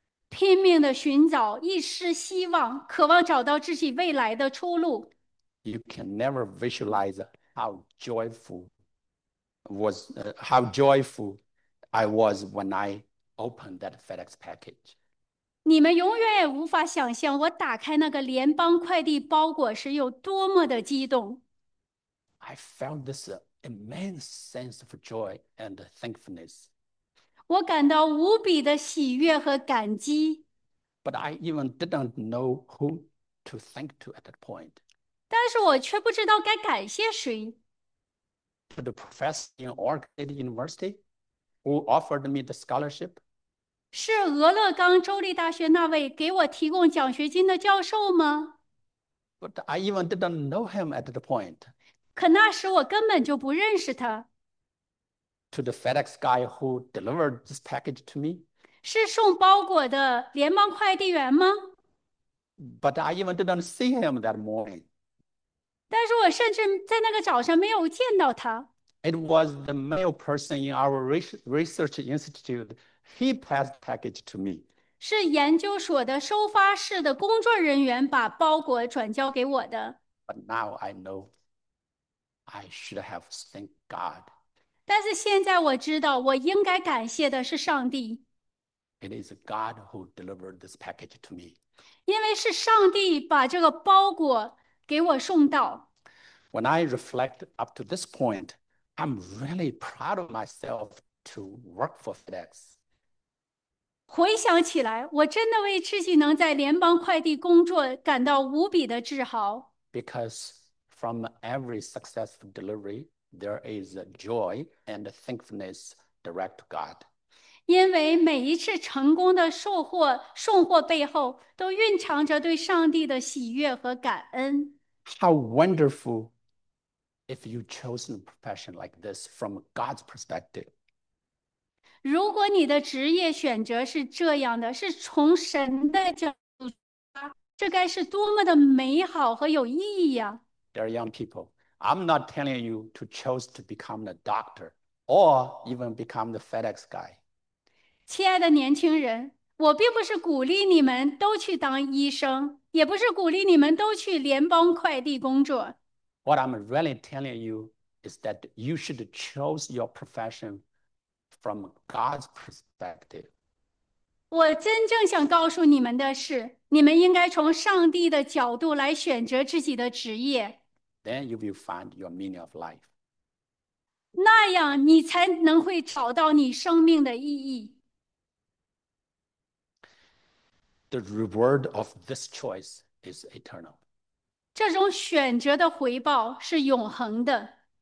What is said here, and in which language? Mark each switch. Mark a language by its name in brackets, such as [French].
[Chinese] 拼命的寻找一丝希望，渴望找到自己未来的出路。 [English] You can never visualize how joyful I was when I opened that FedEx package. [Chinese] 你们永远也无法想象我打开那个联邦快递包裹时有多么的激动。 [English] I found this immense sense of joy and thankfulness. [Chinese] 我感到无比的喜悦和感激。 [English] But I even didn't know who to thank to at that point. [Chinese] 但是我却不知道该感谢谁。 [English] To the professor in Oregon State University who offered me the scholarship. [Chinese] 是俄勒冈州立大学那位给我提供奖学金的教授吗？ [English] But I even didn't know him at the point. [Chinese] 可那时我根本就不认识他。 [English] To the FedEx guy who delivered this package to me. [Chinese] 是送包裹的联邦快递员吗？ [English] But I even didn't see him that morning. [Chinese] 但是我甚至在那个早上没有见到他。 [English] It was the male person in our research institute. He passed the package to me. [Chinese] 是研究所的收发室的工作人员把包裹转交给我的。 [English] But now I know I should have thanked God. [Chinese] 但是现在我知道，我应该感谢的是上帝。 [English] It is God who delivered this package to me. [Chinese] 因为是上帝把这个包裹给我送到。 [English] When I reflect up to this point, I'm really proud of myself to work for FedEx. [Chinese] 回想起来，我真的为自己能在联邦快递工作感到无比的自豪。 [English] Because from every successful delivery, there is a joy and a thankfulness direct to God. [Chinese] 因为每一次成功的收获、送货背后，都蕴藏着对上帝的喜悦和感恩。 [English] How wonderful! If you've chosen a profession like this from God's perspective, [Chinese] 如果你的职业选择是这样的，是从神的角度出发，这该是多么的美好和有意义呀！ [English] there are young people. I'm not telling you to choose to become a doctor or even become the FedEx guy. [Chinese] 亲爱的年轻人，我并不是鼓励你们都去当医生，也不是鼓励你们都去联邦快递工作。 [English] What I'm really telling you is that you should choose your profession from God's perspective. [Chinese] 我真正想告诉你们的是，你们应该从上帝的角度来选择自己的职业， [English] Then you will find your meaning of life. [Chinese] 那样你才能会找到你生命的意义。 [English] The reward of this choice is eternal. [Chinese] 这种选择的回报是永恒的。